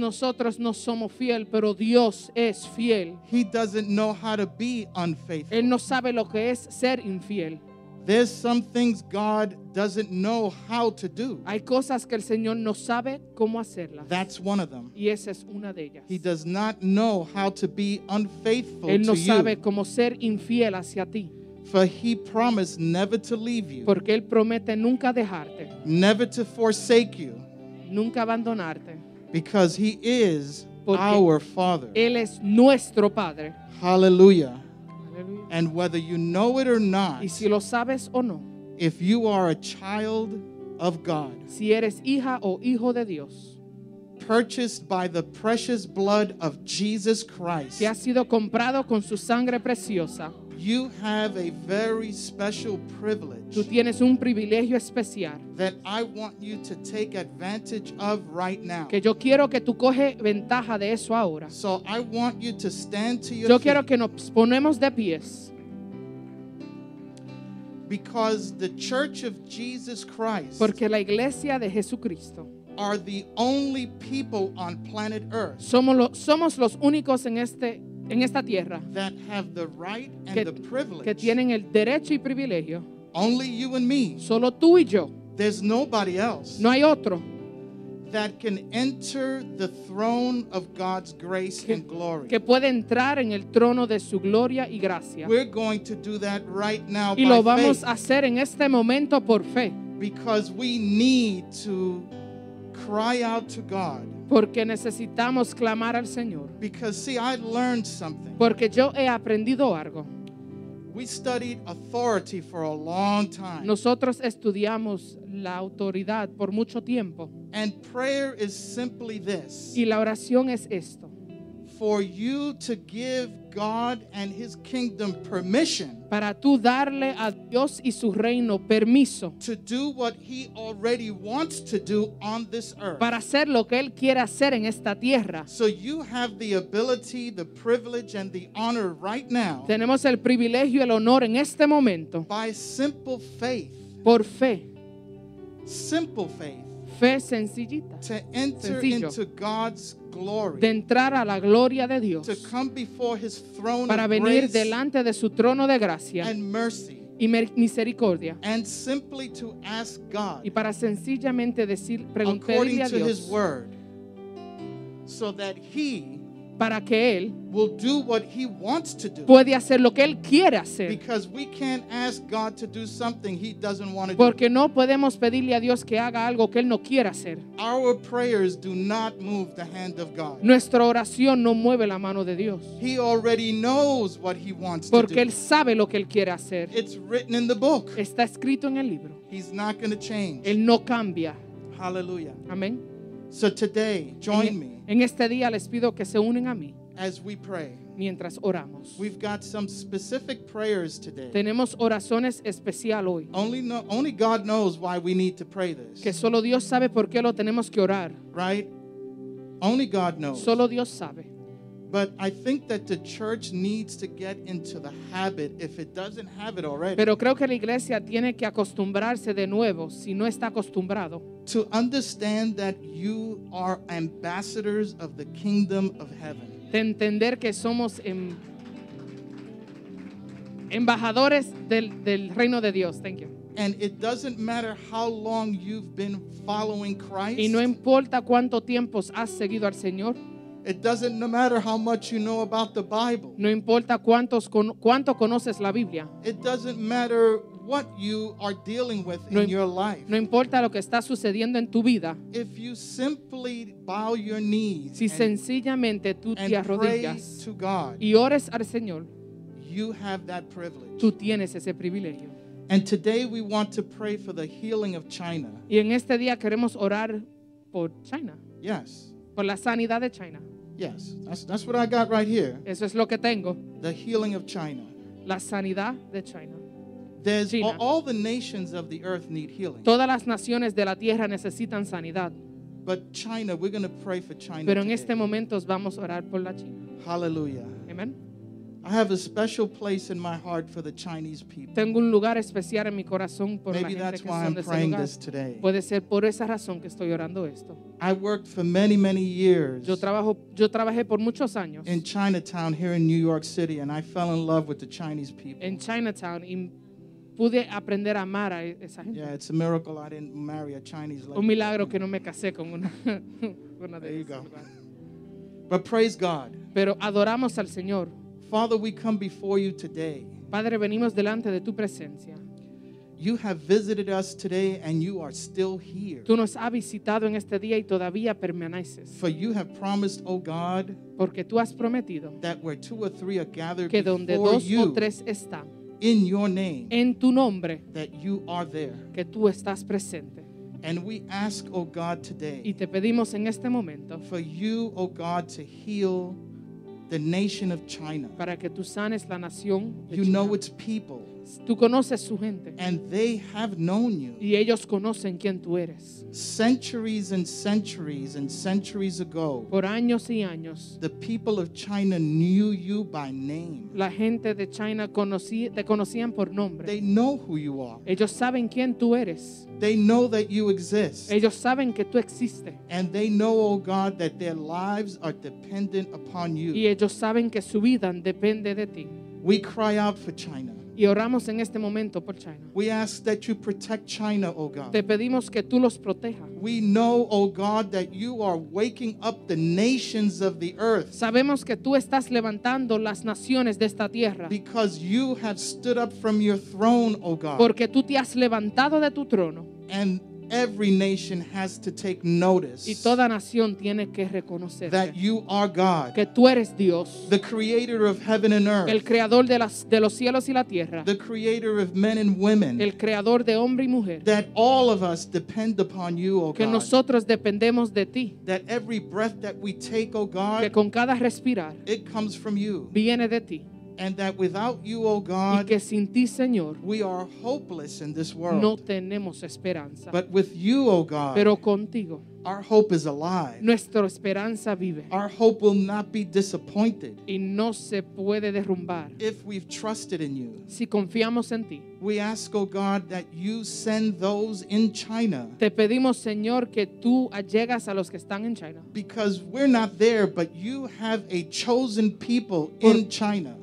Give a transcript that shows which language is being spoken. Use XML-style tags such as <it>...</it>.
<es>Nosotros no somos fiel, pero Dios es fiel.</es> <en>He doesn't know how to be unfaithful.</en> <es>Él no sabe lo que es ser infiel.</es> <en>There's some things God doesn't know how to do.</en> <es>Hay cosas que el Señor no sabe cómo hacerlas.</es> <en>That's one of them.</en> <es>Y esa es una de ellas.</es> <en>He does not know how to be unfaithful</en> <es>Él no</es> <en>to</en> <es>sabe</es> <en>you.</en> <es>Cómo ser infiel hacia ti.</es> <en>For he promised never to leave you.</en> <es>Porque él promete nunca dejarte.</es> <en>Never to forsake you.</en> <es>Nunca abandonarte.</es> <en>Because he is</en> <es>Porque</es> <en>our Father.</en> <es>Él es nuestro Padre.</es> <en>Hallelujah. And whether you know it or not,</en> <es>y si lo sabes o no,</es> <en>if you are a child of God,</en> <es>si eres hija o hijo de Dios,</es> <en>purchased by the precious blood of Jesus Christ,</en> <es>si has sido comprado con su sangre preciosa,</es> <en>you have a very special privilege,</en> <es>tú tienes un privilegio especial,</es> <en>that I want you to take advantage of right now,</en> <es>que yo quiero que tú coge ventaja de eso ahora.</es> <en>So I want you to stand to your</en> <es>yo</es> <en>feet,</en> <es>yo quiero que nos ponemos de pies,</es> <en>because the church of Jesus Christ,</en> <es>porque la iglesia de Jesucristo,</es> <en>are the only people on planet Earth,</en> <es>somos los únicos en este en esta tierra</es> <en>that have the right and que, the privilege,</en> <es>que tienen el derecho y privilegio.</es> <en>Only you and me.</en> <es>Solo tú y yo.</es> <en>There's nobody else.</en> <es>No hay otro.</es> <en>That can enter the throne of God's grace and glory.</en> <es>Que puede entrar en el trono de su gloria y gracia.</es> <en>We're going to do that right now by faith.</en> <es>Y lo vamos a hacer en este momento por fe.</es> <en>Because we need to cry out to God.</en> <es>Porque necesitamos clamar al Señor.</es> <en>Because, see, I learned something.</en> <es>Porque yo he aprendido algo.</es> <en>We studied authority for a long time.</en> <es>Nosotros estudiamos la autoridad por mucho tiempo.</es> <en>And prayer is simply this.</en> <es>Y la oración es esto.</es> <en>For you to give God and his kingdom permission.</en> <es>Para tú darle a Dios y su reino permiso.</es> <en>To do what he already wants to do on this earth.</en> <es>Para hacer lo que él quiere hacer en esta tierra.</es> <en>So you have the ability, the privilege, and the honor right now.</en> <es>Tenemos el privilegio y el honor en este momento.</es> <en>By simple faith.</en> <es>Por fe.</es> <en>Simple faith.</en> <es>Fe sencillita.</es> <en>To enter</en> <es>sencillo.</es> <en>Into God's glory,</en> <es>de entrar a la gloria de Dios,</es> <en>to come before his throne</en> <es>para venir delante de su trono de gracia</es> <en>and mercy,</en> <es>y misericordia,</es> <en>and simply to ask God,</en> <es>y para sencillamente decir, preguntarle a Dios,</es> <en>to his word, so that he</en> <es>para que él</es> <en>will do what he wants to do,</en> <es>puede hacer lo que él quiere hacer,</es> <en>because we can't ask God to do something he doesn't want to do,</en> <es>porque no podemos pedirle a Dios que haga algo que él no quiera hacer.</es> <en>Our prayers do not move the hand of God.</en> <es>Nuestra oración no mueve la mano de Dios.</es> <en>He already knows what he wants to do,</en> <es>porque él sabe lo que él quiere hacer.</es> <en>It's written in the book.</en> <es>Está escrito en el libro.</es> <en>He's not going to change.</en> <es>Él no cambia.</es> <en>Hallelujah.</en> <es>Amén.</es> <en>So today, join me.</en> <es>En este día les pido que se unen a mí.</es> <en>As we pray.</en> <es>Mientras oramos.</es> <en>We've got some specific prayers today.</en> <es>Tenemos oraciones especial hoy.</es> <en>Only God knows why we need to pray this.</en> <es>Que solo Dios sabe por qué lo tenemos que orar.</es> <en>Right? Only God knows.</en> <es>Solo Dios sabe.</es> <en>But I think that the church needs to get into the habit if it doesn't have it already.</en> <es>Pero creo que la iglesia tiene que acostumbrarse de nuevo si no está acostumbrado.</es> <en>To understand that you are ambassadors of the kingdom of heaven.</en> <es>De entender que somos embajadores del reino de Dios.</es> <en>Thank you. And it doesn't matter how long you've been following Christ.</en> <es>Y no importa cuánto tiempo has seguido al Señor.</es> <en>It doesn't matter how much you know about the Bible.</en> <es>No importa cuánto conoces la Biblia.</es> <en>It doesn't matter what you are dealing with in your life.</en> <es>No importa lo que está sucediendo en tu vida.</es> <en>If you simply bow your knees,</en> <es>si sencillamente tú te arrodillas</es> <en>to God,</en> <es>y ores al Señor,</es> <en>you have that privilege.</en> <es>Tú tienes ese privilegio.</es> <en>And today we want to pray for the healing of China.</en> <es>Y en este día queremos orar por China.</es> <en>Yes.</en> <es>Por la sanidad de China.</es> <en>Yes, that's what I got right here.</en> <es>Eso es lo que tengo.</es> <en>The healing of China.</en> <es>La sanidad de China.</es> <en>There's China. All the nations of the earth need healing.</en> <es>Todas las naciones de la tierra necesitan sanidad.</es> <en>But China, we're going to pray for China.</en> <es>Pero en</es> <en>today.</en> <es>Este momento vamos a orar por la China.</es> <en>Hallelujah. Amen. I have a special place in my heart for the Chinese people.</en> <es>Tengo un lugar especial en mi corazón por</es> <en>Maybe</en> <es>la gente que</es> <en>why</en> <es>son</es> <en>I'm</en> <es>de</es> <en>praying</en> <es>lugar.</es> <en>This today.</en> <es>Puede ser por esa razón que estoy orando esto.</es> <en>I worked for many, many years.</en> <es>Yo trabajé por muchos años.</es> <en>In Chinatown here in New York City, and I fell in love with the Chinese people.</en> <es>En Chinatown y pude aprender a amar a esa gente.</es> <en>Yeah, it's a miracle I didn't marry a Chinese lady.</en> <es>Un milagro que no me casé con una de ellas.</es> <en>But praise God.</en> <es>Pero adoramos al Señor.</es> <en>Father, we come before you today.</en> <es>Padre, venimos delante de tu presencia.</es> <en>You have visited us today and you are still here.</en> <es>Tú nos has visitado en este día y todavía permaneces.</es> <en>For you have promised, O God,</en> <es>porque tú has prometido</es> <en>that where two or three are gathered</en> <es>que donde</es> <en>before</en> <es>dos</es> <en>you,</en> <es>o tres están,</es> <en>in your name,</en> <es>en tu nombre,</es> <en>that you are there.</en> <es>Que tú estás presente.</es> <en>And we ask, O God, today,</en> <es>y te pedimos en este momento,</es> <en>for you, O God, to heal the nation of China.</en> <es>Para que tú sanes la nación de</es> <en>China. You know its people.</en> <es>Tú conoces su gente.</es> <en>And they have known you.</en> <es>Y ellos conocen quién tú eres.</es> <en>Centuries and centuries and centuries ago.</en> <es>Por años y años.</es> <en>The people of China knew you by name.</en> <es>La gente de China te conocían por nombre.</es> <en>They know who you are.</en> <es>Ellos saben quién tú eres.</es> <en>They know that you exist.</en> <es>Ellos saben que tú existes.</es> <en>And they know, oh God, that their lives are dependent upon you.</en> <es>Y ellos saben que su vida depende de ti.</es> <en>We cry out for China.</en> <es>Y oramos en este momento por China.</es> <en>We ask that you protect China, oh God.</en> <es>Te pedimos que tú los proteja.</es> <en>We know, oh God, that you are waking up the nations of the earth.</en> <es>Sabemos que tú estás levantando las naciones de esta tierra.</es> <en>Because you have stood up from your throne, oh God.</en> <es>Porque tú te has levantado de tu trono.</es> <en>And every nation has to take notice.</en> <es>Y toda nación tiene que reconocer</es> <en>that you are God.</en> <es>Que tú eres Dios.</es> <en>The creator of heaven and earth.</en> <es>El creador de los cielos y la tierra.</es> <en>The creator of men and women.</en> <es>El creador de hombre y mujer.</es> <en>That all of us depend upon you, oh God.</en> <es>Que nosotros dependemos de ti.</es> <en>That every breath that we take, oh God.</en> <es>Que con cada respirar.</es> <en>It comes from you.</en> <es>Viene de ti.</es> <en>And that without you, O God,</en> <es>y que sin ti, Señor,</es> <en>we are hopeless in this world.</en> <es>No tenemos esperanza.</es> <en>But with you, O God,</en> <es>pero contigo,</es> <en>our hope is alive.</en> <es>Nuestra esperanza vive.</es> <en>Our hope will not be disappointed.</en> <es>Y no se puede derrumbar.</es> <en>If we've trusted in you,</en> <es>si confiamos en ti,</es> <en>we ask, O God, that you send those in China.</en> <es>Te pedimos, Señor, que tú allegas a los que están en China.</es> <en>Because we're not there, but you have a chosen people in China.</en>